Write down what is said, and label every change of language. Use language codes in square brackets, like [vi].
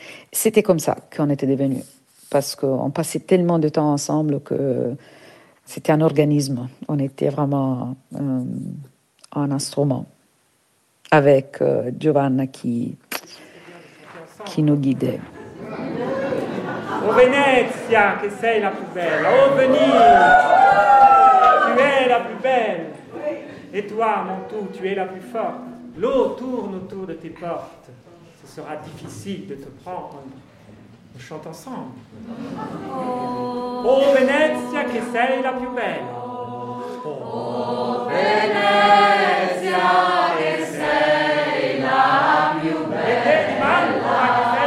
[fr] C'était comme ça qu'on était devenus, parce qu'on passait tellement de temps ensemble que c'était un organisme. On était vraiment un instrument avec Giovanna qui nous guidait. [it] Oh Venezia, che sei la più bella. [fr] Oh Venise, tu es la plus belle. Et toi, mon tout, tu es la plus forte. L'eau tourne autour de tes portes. Ce sera difficile de te prendre. On chante ensemble. [it] Oh Venezia, che sei la più bella. Oh Venezia, che sei la più bella.